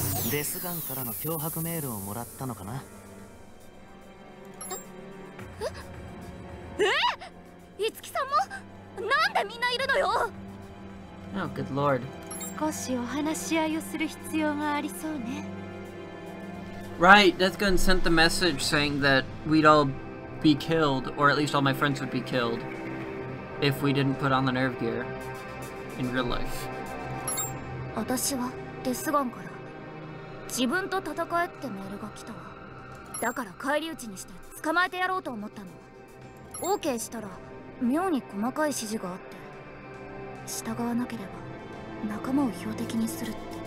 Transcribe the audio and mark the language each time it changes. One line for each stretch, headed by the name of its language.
Japanese: デスガンからの脅迫メールをもらったのかな。え？イツキさんも？なんでみんないるのよ。
English: Oh, good lord.
Japanese: 少しお話し合いをする必要がありそうね。
English: Right, Death Gun sent the message saying that we'd all be killed, or at least all my friends would be killed. If we didn't put on the nerve gear in real life.
Japanese: 私はデスガンから自分と戦えってメールが来たわ。だから返り討ちにして捕まえてやろうと思ったの。 OK したら妙に細かい指示があって、従わなければ仲間を標的にするって。